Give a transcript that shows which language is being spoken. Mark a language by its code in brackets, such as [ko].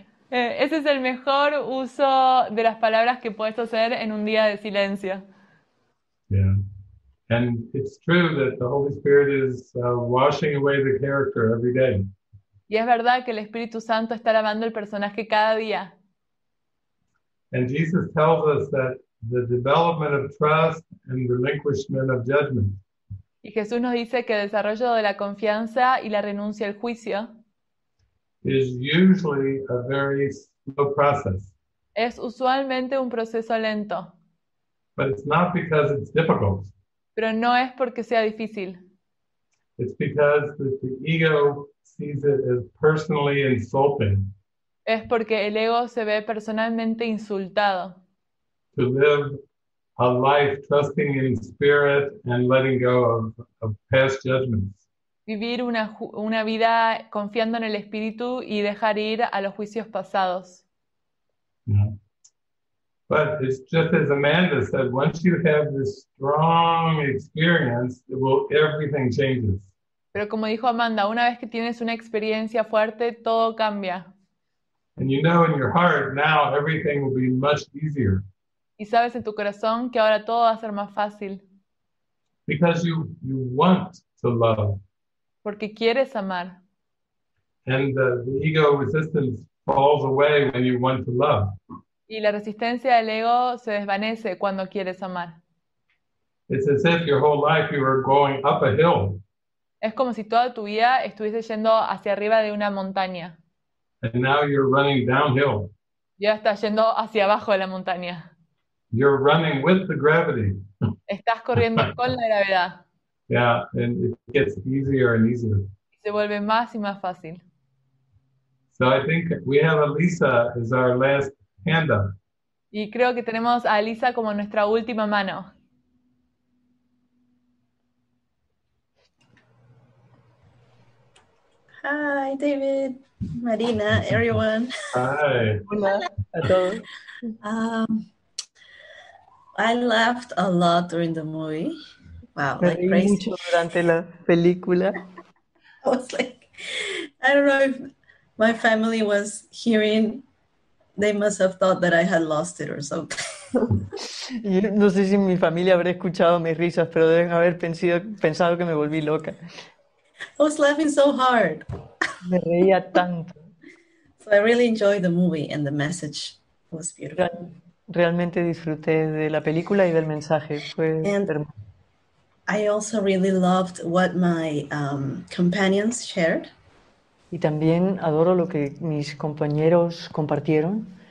[es] Ese es el mejor uso de las palabras que puedes hacer en un día de silencio. [en] Yeah. And it's true that the Holy Spirit is washing away the character every day. [es] Y es verdad que el Espíritu Santo está lavando el personaje cada día. [en] And Jesus tells us that the development of trust and relinquishment of judgment. [es] Y Jesús nos dice que el desarrollo de la confianza y la renuncia al juicio [en] is usually a very slow process. [es] Es usualmente un proceso lento. [en] But it's not because it's difficult. [es] Pero no es porque sea difícil. [en] It's because the ego sees it as personally insulting. [es] Es porque el ego se ve personalmente insultado. [en] To live a life trusting in spirit and letting go of past judgments. [es] Vivir una vida confiando en el espíritu y dejar ir a los juicios pasados. [en] Yeah. But it's just as Amanda said, once you have this strong experience, everything changes. [es] Pero como dijo Amanda, una vez que tienes una experiencia fuerte, todo cambia. [en] And you know in your heart, now everything will be much easier. [es] Y sabes en tu corazón que ahora todo va a ser más fácil. [en] Because you want to love. [es] Porque quieres amar. [en] And the ego resistance falls away when you want to love. [es] Y la resistencia del ego se desvanece cuando quieres amar. [en] It's as if your whole life you were going up a hill. [es] Es como si toda tu vida estuviese yendo hacia arriba de una montaña. [en] And now you're running downhill. [es] Ya estás yendo hacia abajo de la montaña. [en] You're running with the gravity. [es] Estás corriendo con la gravedad. [en] Yeah, and it gets easier and easier. [es] Se vuelve más y más fácil. [en] So I think we have Elisa as our last hand up. [es] Y creo que tenemos a Elisa como nuestra última mano. [en] Hi, David, Marina, everyone. Hi. [es] Hola a todos. [en] I laughed a lot during the movie. Wow, [es] me [en] like crazy. [es] Mucho durante la película. [en] I was like, I don't know if my family was hearing. They must have thought that I had lost it or something. [es] Yo no sé si mi familia habrá escuchado mis risas, pero deben haber pensado que me volví loca. [en] I was laughing so hard. [es] Me reía tanto. [en] So I really enjoyed the movie and the message was beautiful. [es] Realmente disfruté de la película y del mensaje. Fue hermoso. [en] I also really loved what my companions shared. [es] Y también adoro lo que mis compañeros compartieron.